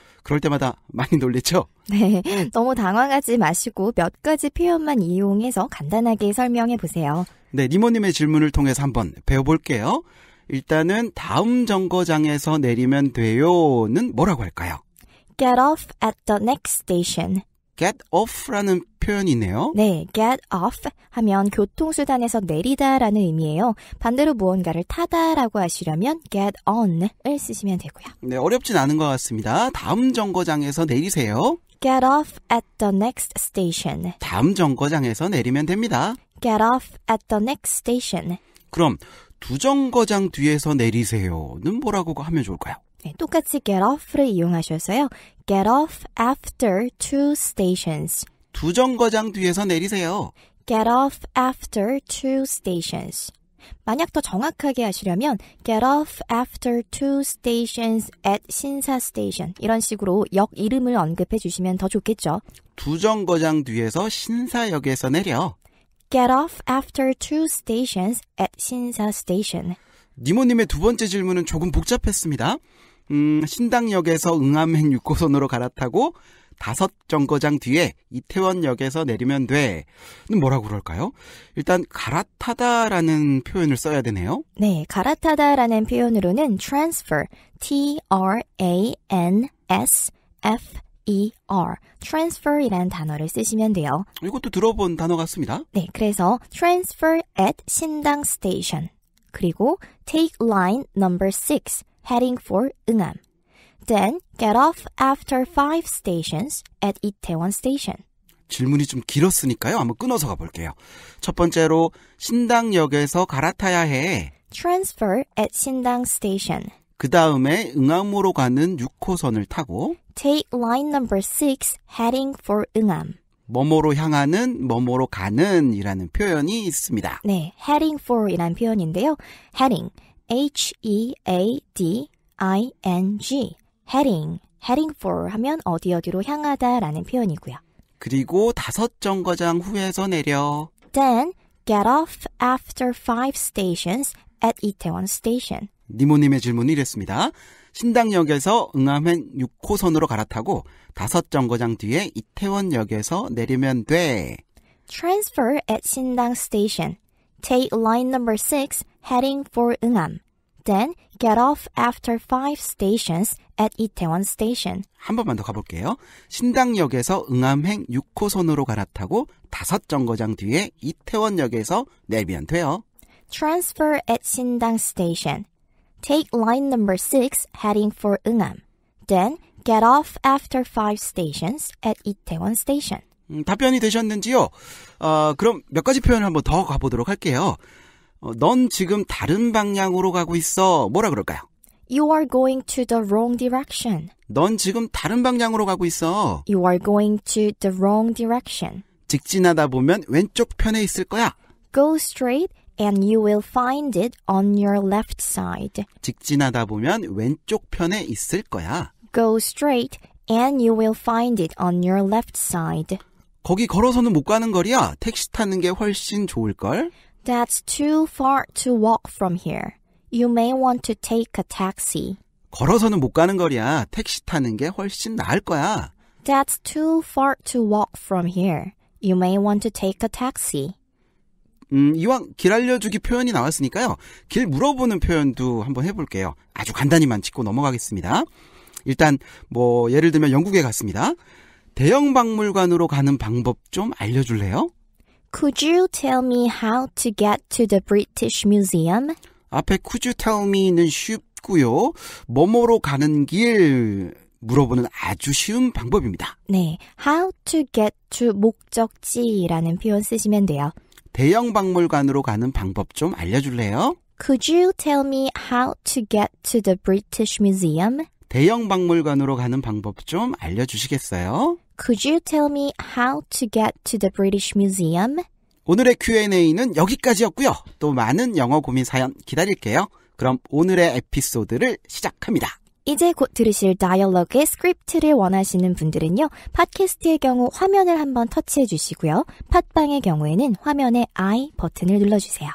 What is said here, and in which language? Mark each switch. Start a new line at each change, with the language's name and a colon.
Korean: 그럴 때마다 많이 놀랬죠? 네. 너무 당황하지 마시고 몇 가지 표현만 이용해서 간단하게 설명해 보세요. 네. 니모님의 질문을 통해서 한번 배워볼게요. 일단은 다음 정거장에서 내리면 돼요는 뭐라고 할까요?
English: Get off at the next station.
Korean: Get off라는 표현이네요. 네, get off 하면 교통수단에서 내리다라는 의미예요. 반대로 무언가를 타다라고 하시려면 get on을 쓰시면 되고요. 네, 어렵진 않은 것 같습니다. 다음 정거장에서 내리세요.
English: Get off at the next station.
Korean: 다음 정거장에서 내리면 됩니다.
English: Get off at the next station.
Korean: 그럼 두 정거장 뒤에서 내리세요는 뭐라고 하면 좋을까요? 네, 똑같이 get off를 이용하셔서요.
English: Get off after two stations.
Korean: 두 정거장 뒤에서 내리세요.
English: Get off after two stations.
Korean: 만약 더 정확하게 하시려면
English: get off after two stations at 신사 station
Korean: 이런 식으로 역 이름을 언급해 주시면 더 좋겠죠. 두 정거장 뒤에서 신사역에서 내려.
English: Get off after two stations at 신사 station.
Korean: 니모님의 두 번째 질문은 조금 복잡했습니다. 신당역에서 응암행 6호선으로 갈아타고 다섯 정거장 뒤에 이태원역에서 내리면 돼. 뭐라고 그럴까요? 일단 갈아타다라는 표현을 써야 되네요. 네, 갈아타다라는 표현으로는 transfer, T-R-A-N-S-F-E-R, transfer이라는 단어를 쓰시면 돼요. 이것도 들어본 단어 같습니다. 네, 그래서
English: transfer at 신당 station,
Korean: 그리고
English: take line number 6, heading for 응암. Then get off after five stations at Itaewon Station.
Korean: 질문이 좀 길었으니까요. 한번 끊어서 가볼게요. 첫 번째로 신당역에서 갈아타야 해.
English: Transfer at 신당 Station.
Korean: 그 다음에 응암으로 가는 6호선을 타고.
English: Take line number 6 heading for 응암.
Korean: 뭐뭐로 향하는 뭐뭐로 가는 이라는 표현이 있습니다. 네, heading for 이라는 표현인데요. Heading, H-E-A-D-I-N-G. Heading for 하면 어디 어디로 향하다 라는 표현이고요. 그리고 다섯 정거장 후에서 내려.
English: Then get off after five stations at Itaewon Station.
Korean: 니모님의 질문이 이랬습니다. 신당역에서 응암행 6호선으로 갈아타고 다섯 정거장 뒤에 이태원역에서 내리면 돼.
English: Transfer at 신당 Station. Take line number 6 heading for 응암. Then get off after five stations at Itaewon Station.
Korean: 한 번만 더 가볼게요. 신당역에서 응암행 6호선으로 갈아타고 다섯 정거장 뒤에 이태원역에서 내리면 돼요. Transfer at 신당 Station. Take line number 6 heading for 응암. Then get off after five stations at Itaewon Station. 답변이 되셨는지요? 그럼 몇 가지 표현을 한 번 더 가보도록 할게요. 넌 지금 다른 방향으로 가고 있어. 뭐라 그럴까요?
English: You are going to the wrong direction.
Korean: 넌 지금 다른 방향으로 가고 있어.
English: You are going to the wrong direction.
Korean: 직진하다 보면 왼쪽 편에 있을 거야.
English: Go straight and you will find it on your left side.
Korean: 직진하다 보면 왼쪽 편에 있을 거야.
English: Go straight and you will find it on your left side.
Korean: 거기 걸어서는 못 가는 거리야. 택시 타는 게 훨씬 좋을걸.
English: That's too far to walk from here. You may want to take a taxi.
Korean: 걸어서는 못 가는 거리야. 택시 타는 게 훨씬 나을 거야.
English: That's too far to walk from here. You may want to take a taxi.
Korean: 이왕 길 알려주기 표현이 나왔으니까요. 길 물어보는 표현도 한번 해볼게요. 아주 간단히만 짚고 넘어가겠습니다. 일단 뭐 예를 들면 영국에 갔습니다. 대영 박물관으로 가는 방법 좀 알려줄래요?
English: Could you tell me how to get to the British Museum?
Korean: 앞에
English: could you tell me
Korean: 는 쉽고요. 뭐뭐로 가는 길 물어보는 아주 쉬운 방법입니다. 네,
English: how to get to
Korean: 목적지라는 표현 쓰시면 돼요. 대영 박물관으로 가는 방법 좀 알려줄래요?
English: Could you tell me how to get to the British Museum?
Korean: 대영 박물관으로 가는 방법 좀 알려주시겠어요?
English: Could you tell me how to get to the British Museum?
Korean: 오늘의 Q&A는 여기까지였고요. 또 많은 영어 고민 사연 기다릴게요. 그럼 오늘의 에피소드를 시작합니다. 이제 곧 들으실 다이얼로그의 스크립트를 원하시는 분들은요. 팟캐스트의 경우 화면을 한번 터치해 주시고요. 팟빵의 경우에는 화면의 I 버튼을 눌러주세요.